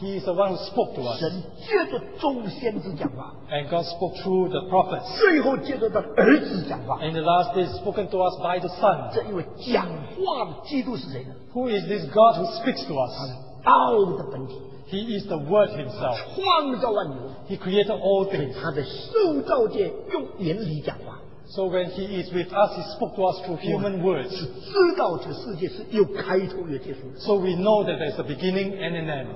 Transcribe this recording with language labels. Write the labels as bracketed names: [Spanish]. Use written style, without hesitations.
[English] he is the one who spoke to us. [Chinese] 神借着众先知讲话, [English] and God spoke through the prophets. [Chinese] 最后借着他儿子讲话, [English] and the last day spoken to us by the Son. [Chinese] 这一位讲话的基督是谁呢? [English] Who is this God who speaks to us? [Chinese] 他的道的本体, [English] he is the Word himself. [Chinese] 创造万有, [English] he created all things. [Chinese] 他的受造界用言语讲话, [English] so when he is with us, he spoke to us through human words. [Chinese] 知道这世界是有开头有结束, [English] so we know that there is a beginning and an end.